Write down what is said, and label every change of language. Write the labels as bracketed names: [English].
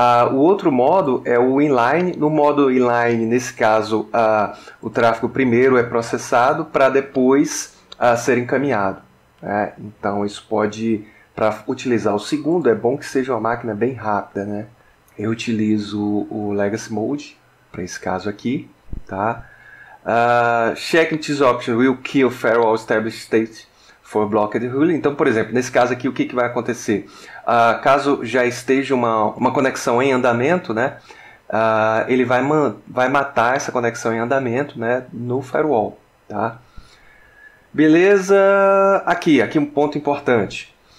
[Portuguese] O outro modo é o inline. No modo inline, nesse caso, o tráfego primeiro é processado para depois ser encaminhado, né? Então, isso pode, para utilizar o segundo, é bom que seja uma máquina bem rápida, né? Eu utilizo o Legacy Mode para esse caso aqui, tá? [English] Checking this option will kill firewall established state for blocked ruling. [Portuguese] Então, por exemplo, nesse caso aqui, o que que vai acontecer? Caso já esteja uma conexão em andamento, né? Ele vai matar essa conexão em andamento, né, no firewall, tá? Beleza? Aqui um ponto importante.